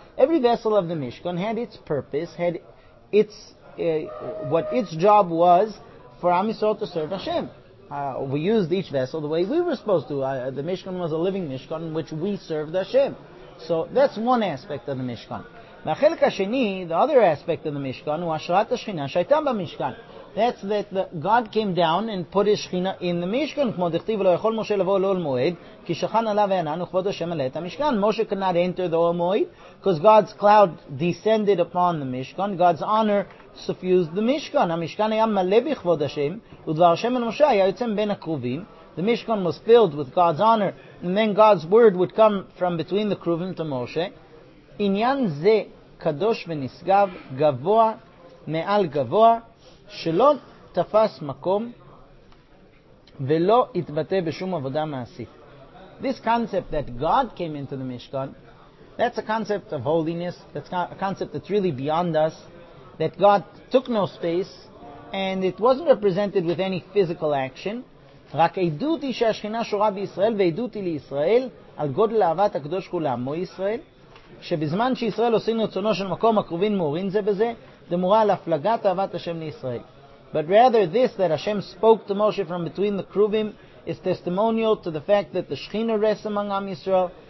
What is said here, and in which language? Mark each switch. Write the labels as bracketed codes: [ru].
[en] Every vessel of the Mishkan had its purpose, had its what its job was for Am Yisrael to serve Hashem. We used each vessel the way we were supposed to. The Mishkan was a living Mishkan in which we served Hashem. So that's one aspect of the Mishkan. [he] והחלק השני, [en] the other aspect of the Mishkan, [he] הוא השראת השכינה שהייתה במשכן. [en] That's that the God came down and put his Shechina in the Mishkan, [he] כמו דכתיב, לא יכול משה לבוא לאול מועד, כי שכן עליו הענן וכבוד השם עלה את המשכן. [en] Moshe could not enter the Olmoid, because God's cloud descended upon the Mishkan, God's honor suffused the Mishkan. [he] המשכן היה מלא בכבוד השם, ודבר השם על משה היה יוצא מבין הקרובים. [en] The Mishkan was filled with God's honor, and then God's word would come from between the Kruvim to Moshe. [he] עניין זה קדוש ונשגב גבוה מעל גבוה שלא תפס מקום ולא התבטא בשום עבודה מעשית. [en] This concept that God came into the Mishkan, that's a concept of holiness, that's a concept that's really beyond us, that God took no space and it wasn't represented with any physical action. [he] רק עדות היא שהשכינה שורה בישראל ועדות היא לישראל על גודל אהבת הקדוש כולמו ישראל. שבזמן שישראל עושים רצונו של מקום הקרובין מורין זה בזה, דמורה על הפלגת אהבת השם לישראל. [en] But rather this, that Hashem spoke to Moshe from between the Kruvim, is testimonial to the fact that the Shechina rests among Am Yisrael.